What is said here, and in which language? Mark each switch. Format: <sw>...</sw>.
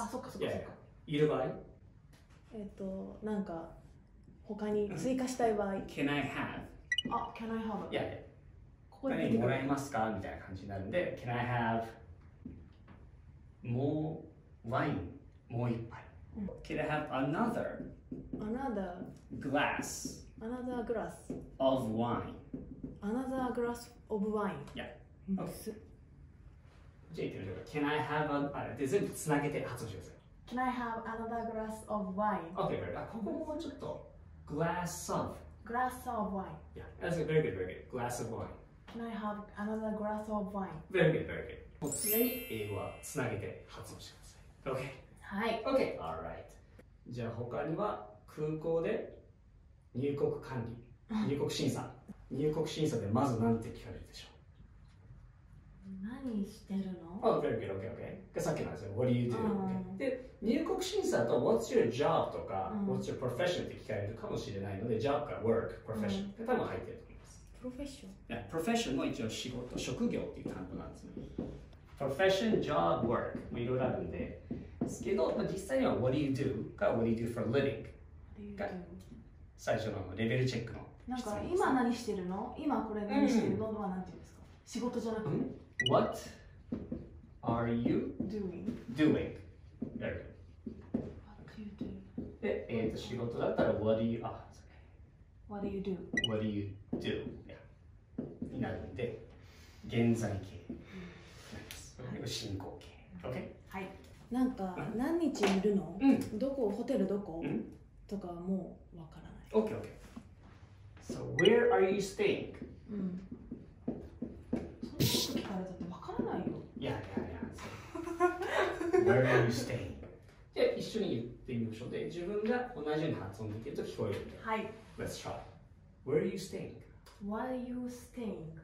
<ja>あ、そっかそっかそっか。いる場合？なんか他に追加したい場合。</ja> <en>Can I have? あ、Can I have? Yeah, yeah.</en> <ja>何もらえますかみたいな感じになるんで、</ja> <en>Can I have more wine?</en> <ja>もう一杯。</ja> <en>Can I have another glass? Another glass of wine. Another glass of wine. Yeah. Okay.</en> <ja>じゃあ言ってみましょう。</ja> <en>Can I have</en> <ja>あれで全部つなげて発音してください。</ja> <en>Can I have another glass of wine? Okay, very good.</en> <ja>ここもちょっと</ja> <en>glass of. Glass of wine. Yeah, that's very good, very good. Glass of wine. Can I have another glass of wine? Very good, very good.</en> <ja>もう常に英語はつなげて発音してください。</ja> <en>OK?</en> <ja>はい。</ja> <en>OK, alright.</en> <ja>じゃあ他には空港で入国管理、入国審査。入国審査でまず何て聞かれるでしょう？何してるの？</ja> <en>Oh, very good, OK, OK.</en> <ja>さっきの話で、</ja> <en>What do you do?、</en> <ja>Okay. で、入国審査と</ja> <en>What's your job?</en> <ja>とか、うん、</ja> <en>What's your profession?</en> <ja>って聞かれるかもしれないので、Job か Work、Profession って、うん、多分入ってると。</ja> <en>Profession.</en> <ja>Yeah, profession も一応仕事、職業っていう単語なんですね。Profession, job, work もいろいろあるんで、ですけど、まあ、実際には</ja> <en>What do you do? か What do you do for a living?</en> <ja>が最初のレベルチェックの質問です。なんか今何してるの？今これ何してるのは何て言うんですか？仕事じゃなくて、</ja> <en>What are you doing? Very good. What do you do?</en> <ja>で、仕事だったら</ja> <en>What do you do? What do you do? What do you do? Yeah.</en> <ja>になるんで、現在形なんです。はい、進行形。OK? はい。なんか、何日いるの、うん、どこ、ホテルどこ、うん、とかもうわからない。</ja> <en>OK, OK. So, where are you staying?</en> <ja>うん。そんなこと聞かれたってわからないよ。いやいやいや、そう。</ja> <en>Where are you staying?</en> <ja>じゃあ、一緒に言ってみましょう。で、自分が同じように発音できると聞こえるんで。はい。</ja> <en>Let's try. Where are you staying? Why are you staying?</en>